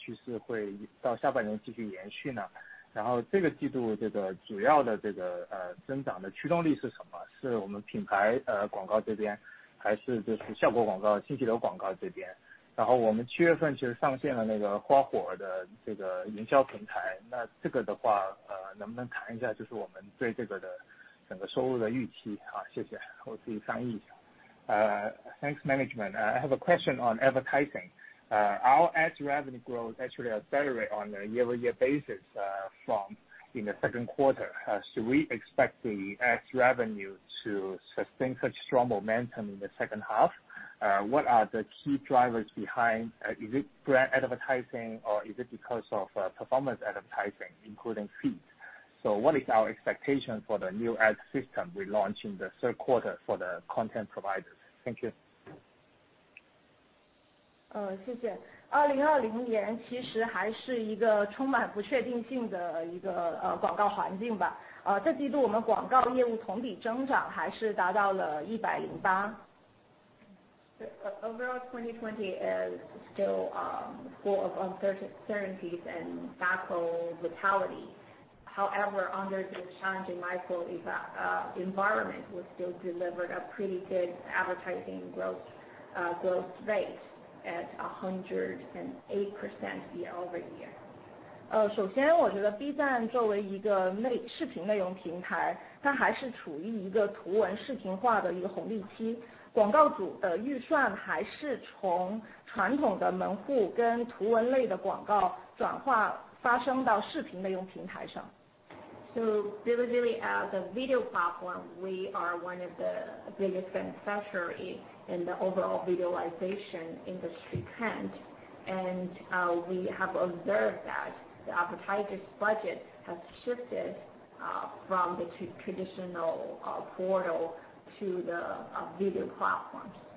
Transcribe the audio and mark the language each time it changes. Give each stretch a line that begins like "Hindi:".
Chinese: 哎，早上好，管理层。恭喜业绩非常强劲啊！我有个问题，关于广告这块，就我们广告收入这个季度其实同比的增长是加速的。那我们其实是不是会预期这种比较强劲的这个趋势会到下半年继续延续呢？然后这个季度这个主要的这个增长的驱动力是什么？是我们品牌广告这边，还是就是效果广告、信息流广告这边？然后我们7月份其实上线了那个花火的这个营销平台，那这个的话，能不能谈一下就是我们对这个的整个收入的预期啊？谢谢，我自己翻译一下。
English: Thanks, management. I have a question on advertising. Our ad revenue growth actually accelerated on a year-over-year basis in the second quarter. Should we expect the ad revenue to sustain such strong momentum in the second half? What are the key drivers behind? Is it brand advertising or is it because of performance advertising, including feed? So what is our expectation for the new ad system we launch in the third quarter for the content providers? Thank you.
Chinese: 谢谢。 2020年其实还是一个充满不确定性的一个广告环境吧。这季度我们广告业务同比增长还是达到了108。
English: Overall 2020 is still full of uncertainties and macro volatility. However, under the challenging micro environment, we still delivered a pretty good advertising growth rate. At 108% year-over-year.
Chinese: 首先我觉得 B 站作为一个视频内容平台，它还是处于一个图文视频化的一个红利期。广告主的预算还是从传统的门户跟图文类的广告转化发生到视频内容平台上。
English: So Bilibili as a video platform, we are one of the biggest beneficiaries in the overall visualization industry trend. And we have observed that the advertisers' budget has shifted from the traditional portal to the video platforms.